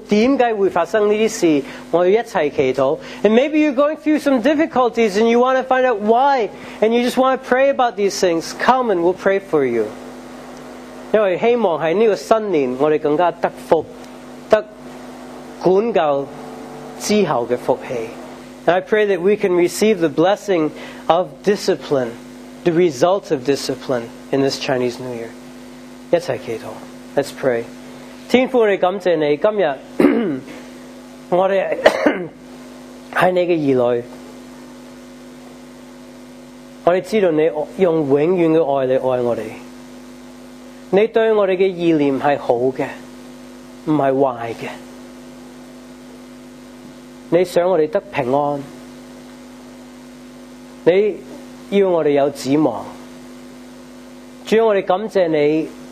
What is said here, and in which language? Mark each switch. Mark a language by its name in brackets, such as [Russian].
[Chinese] 如果愿着之后你觉得我有些困难，我有些痛苦，我都想找到为什么会发生这些事，我要一起祈祷。 [English] And maybe you're going through some difficulties and you want to find out why and you just want to pray about these things. Come and we'll pray for you. [Chinese] 因为希望在这个新年我们更加得福，得管教之后的福气。 [English] And I pray that we can receive the blessing of discipline, the result of discipline in this Chinese New Year. [Chinese] 一起祈祷。 [English] Let's pray. [Chinese] 天父，我们感谢你今日，我们是你的儿女，我们知道你用永远的爱来爱我们，你对我们的意念是好的，不是坏的，你想我们得平安，你要我们有指望，主，我们感谢你。